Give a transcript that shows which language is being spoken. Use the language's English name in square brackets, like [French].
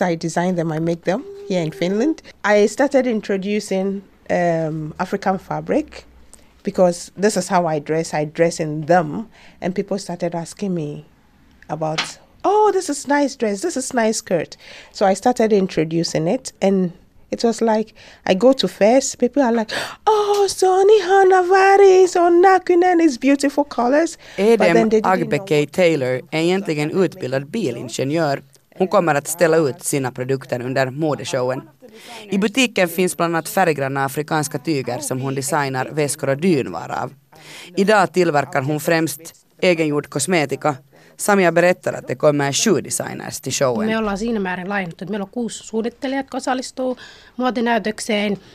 [English] I design them, I make them here in Finland. I started introducing African fabric because this is how I dress in them. And people started asking me about, oh, this is nice dress, this is nice skirt. So I started introducing it and it was like, I go to fairs, people are like, oh, Sonny Hanavari, Sonakunen, it's beautiful colors. [Swedish] Edem Agbeke Taylor är egentligen utbildad bilingenjör. Hon kommer att ställa ut sina produkter under modeshowen. I butiken finns bland annat färggranna afrikanska tyger som hon designar väskor och dynvar av. Idag tillverkar hon främst egengjord kosmetika. Samia berättar att det kommer 7 designers till showen. [Finnish] Me ollaan siinä määrin laajennut, että meillä on 6 suunnittelijat, jotka osallistuu muotinäytökseen.